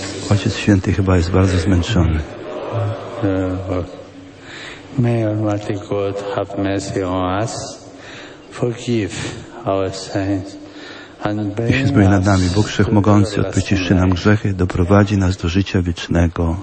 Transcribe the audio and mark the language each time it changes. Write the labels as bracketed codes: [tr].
[pl] Ojciec Święty chyba jest bardzo zmęczony. [en] May Almighty God have mercy on us, forgive our sins, and bring us. [pl] Niech zbawi nad nami Bóg Wszechmogący, odpuściwszy nam grzechy, doprowadzi nas do życia wiecznego.